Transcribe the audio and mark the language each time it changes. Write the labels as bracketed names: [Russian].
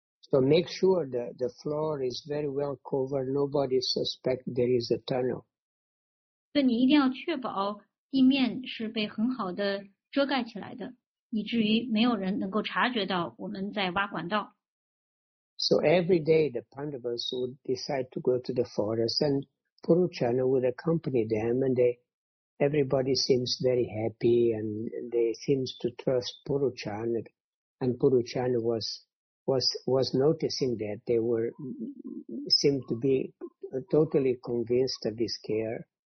[English] So make sure the floor is very well covered. Nobody suspects there is a tunnel. [Chinese] 你一定要确保地面是被很好的遮盖起来的，以至于没有人能够察觉到我们在挖管道。 [English] So every day the Pandavas would decide to go to the forest and Puruchana would accompany them and everybody seems very happy and they seems to trust Puruchana and Puruchana was noticing that they were seemed to be totally convinced of his care.